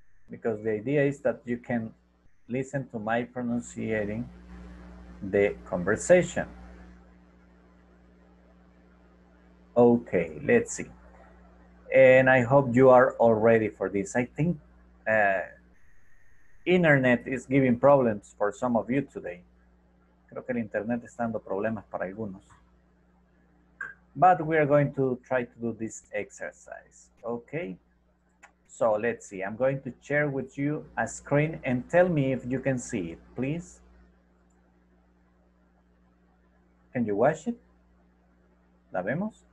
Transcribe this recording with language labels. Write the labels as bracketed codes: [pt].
[en] Because the idea is that you can listen to my pronunciating the conversation. Okay, let's see. And I hope you are all ready for this. I think internet is giving problems for some of you today. [es] Creo que el internet está dando problemas para algunos. [en] But we are going to try to do this exercise, okay? So let's see, I'm going to share with you a screen and tell me if you can see it, please. Can you watch it? [es] ¿La vemos?